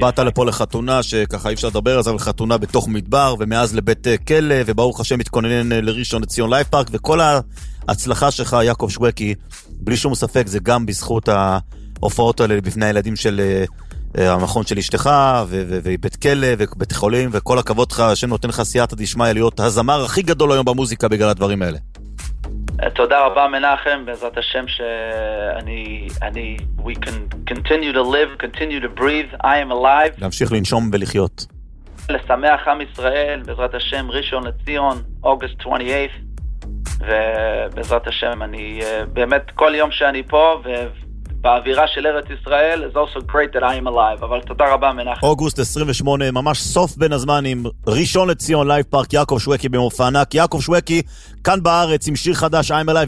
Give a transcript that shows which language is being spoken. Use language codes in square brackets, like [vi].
[he] באת לפה לחתונה שככה אי אפשר לדבר על זה, חתונה בתוך מדבר, ומאז לבית כלא, וברוך השם מתכוננן לראשון לציון לייף פארק, וכל ההצלחה שלך יעקב שווקי בלי שום ספק זה גם בזכות ההופעות האלה בפני הילדים של המכון של אשתך ובית כלא ובית חולים, וכל הכבוד לך, השם נותן לך סייעתא דשמיא להיות הזמר הכי גדול היום במוזיקה בגלל הדברים האלה. תודה רבה מנחם, בעזרת השם שאני [en] we can continue to live, continue to breathe, I am alive. [he] להמשיך לנשום ולחיות, לשמח עם ישראל, בעזרת השם, ראשון לציון, אוגוסט 28th, ובעזרת השם אני באמת כל יום שאני פה ו באווירה של ארץ ישראל, [en] it's also great that I am alive, [he] אבל תודה רבה מנחם. אוגוסט 28, ממש סוף בין הזמנים, ראשון לציון לייב פארק, יעקב שווקי במופע ענק, יעקב שווקי, כאן בארץ עם שיר חדש, I am alive.